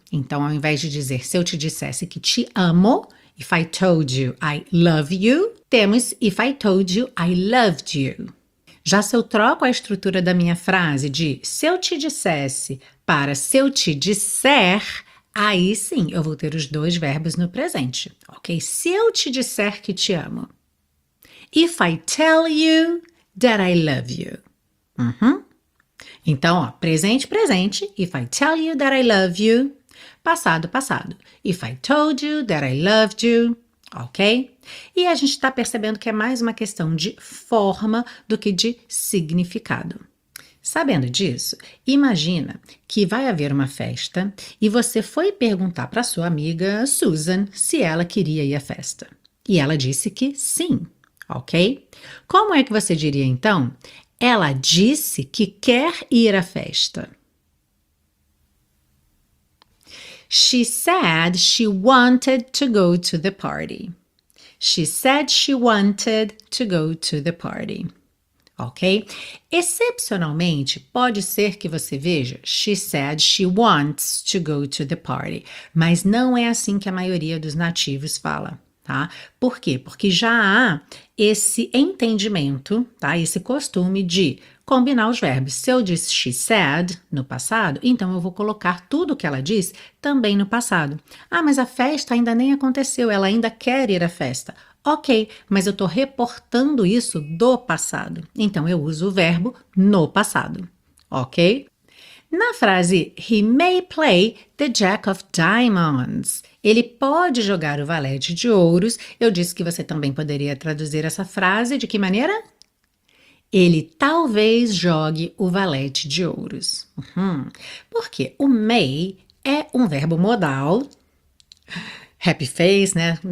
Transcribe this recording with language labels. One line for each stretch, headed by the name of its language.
Portuguese: Então, ao invés de dizer se eu te dissesse que te amo,
English: if I told you I love you,
Portuguese: temos
English: if I told you I loved you.
Portuguese: Já se eu troco a estrutura da minha frase de se eu te dissesse para se eu te disser, aí sim, eu vou ter os dois verbos no presente, ok? Se eu te disser que te amo.
English: If I tell you that I love you.
Portuguese: Então, ó, presente, presente.
English: If I tell you that I love you.
Portuguese: Passado, passado.
English: If I told you that I loved you. Ok?
Portuguese: E a gente está percebendo que é mais uma questão de forma do que de significado. Sabendo disso, imagina que vai haver uma festa e você foi perguntar para sua amiga Susan se ela queria ir à festa. E ela disse que sim, ok? Como é que você diria então? Ela disse que quer ir à festa.
English: She said she wanted to go to the party. She said she wanted to go to the party.
Portuguese: Ok? Excepcionalmente, pode ser que você veja
English: she said she wants to go to the party.
Portuguese: Mas não é assim que a maioria dos nativos fala, tá? Por quê? Porque já há esse entendimento, tá? Esse costume de combinar os verbos. Se eu disse
English: she said
Portuguese: no passado, então eu vou colocar tudo o que ela disse também no passado. Ah, mas a festa ainda nem aconteceu, ela ainda quer ir à festa. Ok, mas eu estou reportando isso do passado. Então eu uso o verbo no passado. Ok? Na frase
English: He may play the Jack of Diamonds.
Portuguese: Ele pode jogar o valete de ouros. Eu disse que você também poderia traduzir essa frase de que maneira? Ele talvez jogue o valete de ouros. Porque o may é um verbo modal.
English: Happy face,
Portuguese: né?